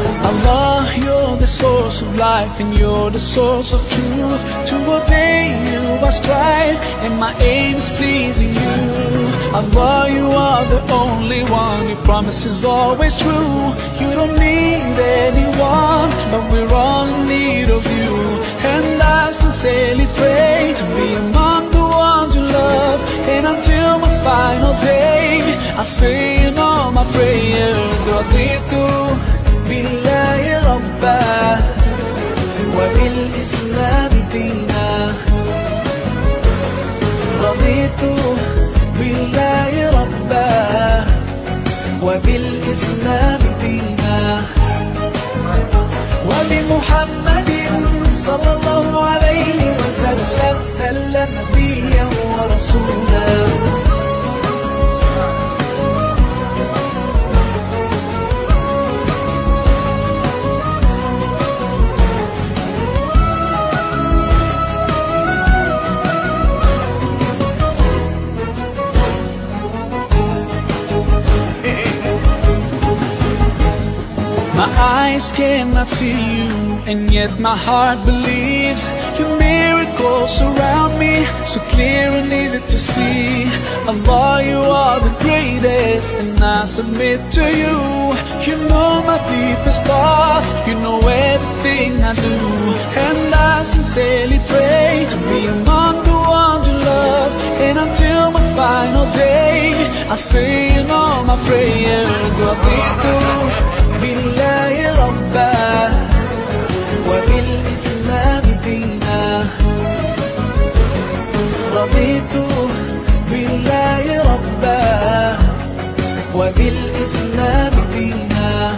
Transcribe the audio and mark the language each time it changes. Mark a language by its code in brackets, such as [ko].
[en] Allah, you're the source of life and you're the source of truth. To obey you I strive and my aim is pleasing you. Allah, you are the only one, your promise is always true. You don't need anyone, but we're all in need of you. And I sincerely pray to be among the ones you love. And until my final day, I'll say in all my prayers, I'll be through. [ar] بالله ربا وبالإسلام دينا رضيت بالله ربا وبالإسلام دينا ولمحمد صلى الله عليه وسلم سلم نبيا ورسولا [en] My eyes cannot see you, and yet my heart believes. Your miracles surround me, so clear and easy to see. Allah, you are the greatest, and I submit to you. You know my deepest thoughts, you know everything I do. And I sincerely pray to be among the ones you love. And until my final day, I say in all my prayers, I'll be through. [ar] بالله ربا وبالإسلام دينا رضيت بالله ربا وبالإسلام دينا